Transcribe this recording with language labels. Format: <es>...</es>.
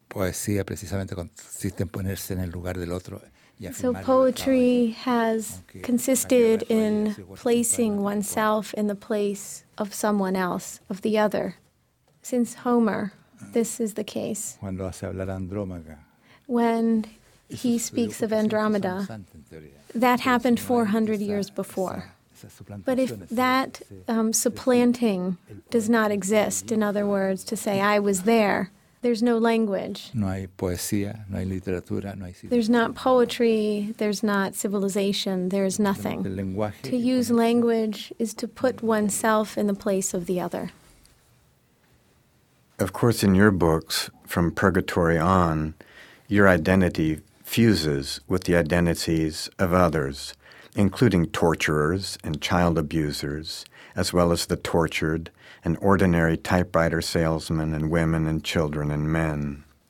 <es>Poesía precisamente consiste en ponerse en el lugar del otro.</es> <en>So poetry has consisted in placing oneself in the place of someone else, of the other. Since Homer, this is the case.</en> <es>Cuando hace hablar Andrómaca.</es> <en>When he speaks of Andromeda, that happened 400 years before. But if that supplanting does not exist, in other words, to say, I was there, there's no language.</en> <es>No hay poesía, no hay literatura, no hay civilización.</es> <en>There's not poetry, there's not civilization, there is nothing.</en> <es>El lenguaje,</es> <en>to use language is to put oneself in the place of the other. Of course, in your books, from Purgatory on, your identity fuses with the identities of others, including torturers and child abusers, as well as the tortured and ordinary typewriter salesmen and women and children and men.</en>